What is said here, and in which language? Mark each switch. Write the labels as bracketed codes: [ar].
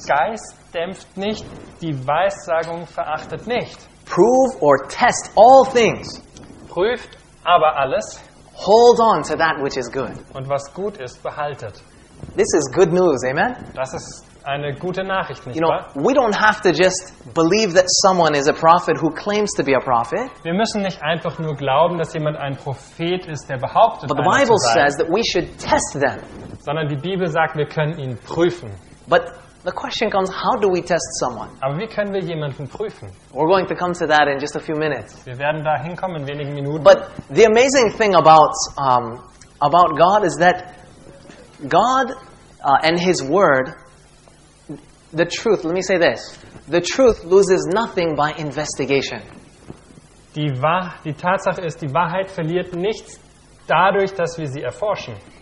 [de] Geist dämpft nicht, die Weissagung verachtet nicht. [en] Prove or test all things. [de] prüft aber alles. [en] Hold on to that which is good. [de] Und was gut ist, behaltet. [en] This is good news, amen? [de] Das ist eine gute Nachricht, nicht wahr? [en] You know, we don't have to just believe that someone is a prophet who claims to be a prophet. [de] Wir müssen nicht einfach nur glauben, dass jemand ein Prophet ist, der behauptet, [en] but the Bible says that we should test them. [de] Sondern die Bibel sagt, wir können ihn prüfen. [en] But the question comes, how do we test someone? [de] Aber wie können wir jemanden prüfen? [en] We're going to come to that in just a few minutes. [de] Wir werden da hinkommen in wenigen Minuten. [en] But the amazing thing about God is that God and his word, the truth, let me say this, the truth loses nothing by investigation. [de] Die Tatsache ist, die Wahrheit verliert nichts dadurch, dass wir sie erforschen.